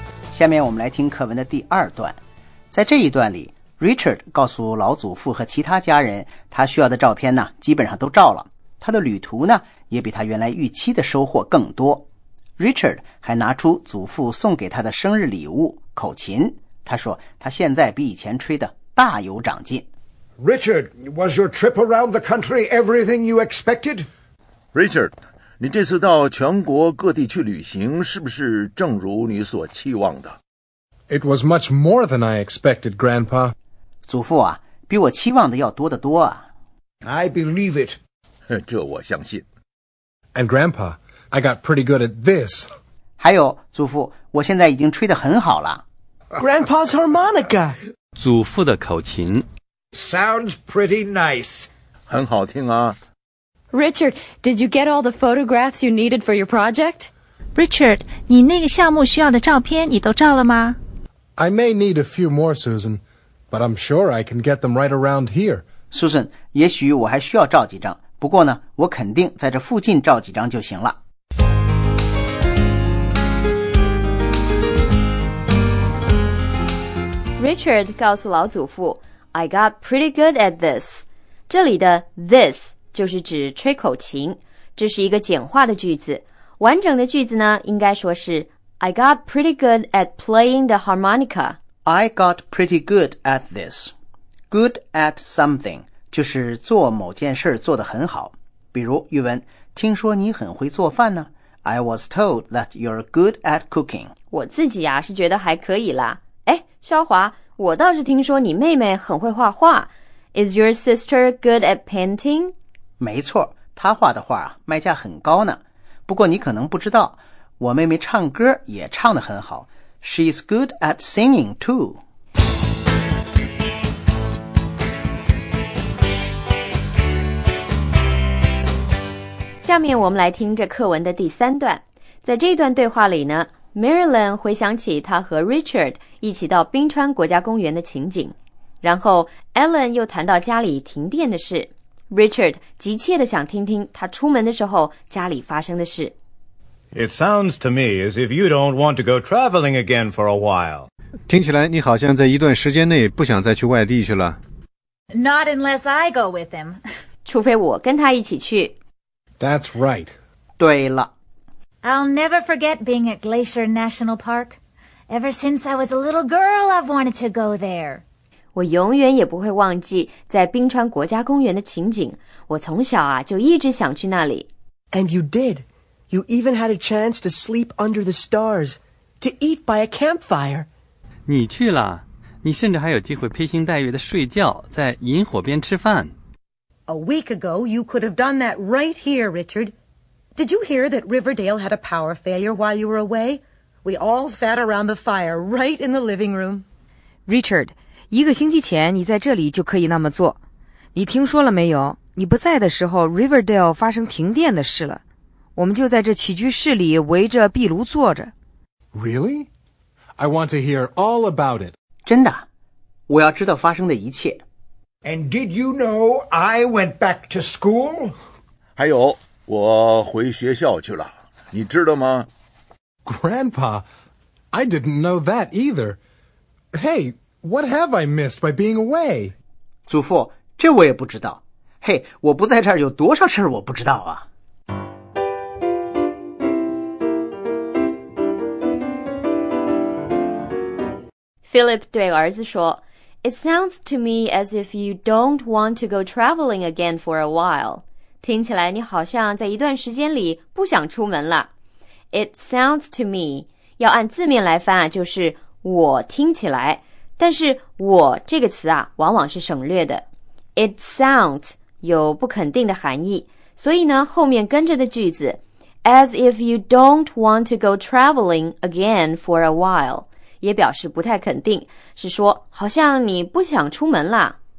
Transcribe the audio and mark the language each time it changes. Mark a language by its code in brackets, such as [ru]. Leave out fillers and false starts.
[zh] 下面我们来听课文的第二段。在这一段里 ,Richard 告诉老祖父和其他家人，他需要的照片呢基本上都照了。他的旅途呢也比他原来预期的收获更多。 Richard 还拿出祖父送给他的生日礼物口琴。他说他现在比以前吹的大有长进。 [en] Richard, was your trip around the country everything you expected? [zh] Richard, 你这次到全国各地去旅行是不是正如你所期望的？ [en] It was much more than I expected, Grandpa. [zh] 祖父啊，比我期望的要多得多啊。 [en] I believe it. [zh] 这我相信。 [en] And Grandpa, I got pretty good at this. [zh] 还有，祖父，我现在已经吹得很好了。 [en] Grandpa's harmonica. [zh] 祖父的口琴。 [en] Sounds pretty nice. [zh] 很好听啊。 [en] Richard, did you get all the photographs you needed for your project? [zh] Richard, 你那个项目需要的照片你都照了吗？ [en] I may need a few more, Susan, but I'm sure I can get them right around here. [zh] Susan, 也许我还需要照几张，不过呢，我肯定在这附近照几张就行了。 [en] Richard [zh] 告诉老祖父， [en] I got pretty good at this. [zh] 这里的 this... 就是指吹口琴，这是一个简化的句子。完整的句子呢，应该说是 [en] I got pretty good at playing the harmonica. I got pretty good at this. Good at something [zh] 就是做某件事做得很好。比如语文，听说你很会做饭呢。 [en] I was told that you're good at cooking. [zh] 我自己啊是觉得还可以啦。哎，肖华，我倒是听说你妹妹很会画画。 [en] Is your sister good at painting? [zh] 没错，他画的画啊，卖价很高呢。不过你可能不知道，我妹妹唱歌也唱得很好。 [en] She's good at singing too. [zh] 下面我们来听这课文的第三段。在这段对话里呢 ，Marilyn 回想起她和 Richard 一起到冰川国家公园的情景，然后 Ellen 又谈到家里停电的事。 Richard 急切地想听听他出门的时候家里发生的事。 [en] It sounds to me as if you don't want to go traveling again for a while. [zh] 听起来你好像在一段时间内不想再去外地去了。 [en] Not unless I go with him. [zh] 除非我跟他一起去。 [en] That's right. [zh] 对了。 [en] I'll never forget being at Glacier National Park. Ever since I was a little girl, I've wanted to go there. [zh] 我永远也不会忘记在冰川国家公园的情景。我从小啊就一直想去那里。 [en] And you did. You even had a chance to sleep under the stars, to eat by a campfire. [zh] 你去了，你甚至还有机会披星戴月的睡觉，在萤火边吃饭。 [en] A week ago, you could have done that right here, Richard. Did you hear that Riverdale had a power failure while you were away? We all sat around the fire right in the living room. Richard. [zh] 一个星期前你在这里就可以那么做。你听说了没有？你不在的时候 Riverdale 发生停电的事了。我们就在这起居室里围着壁炉坐着。 [en] Really? I want to hear all about it. [zh] 真的？我要知道发生的一切。 [en] And did you know I went back to school? [zh] 还有，我回学校去了。你知道吗？ [en] Grandpa, I didn't know that either. Hey,What have I missed by being away? [zh] 祖父，这我也不知道。嘿，我不在这儿有多少事儿我不知道啊。 [en] Philip [zh] 对儿子说 [en] ,It sounds to me as if you don't want to go traveling again for a while. [zh] 听起来你好像在一段时间里不想出门了。 [en] It sounds to me, [zh] 要按字面来翻啊，就是我听起来。但是我这个词啊往往是省略的。 It sounds 有不肯定的含义。所以呢后面跟着的句子 , [en] as if you don't want to go traveling again for a while, [zh] 也表示不太肯定，是说好像你不想出门啦。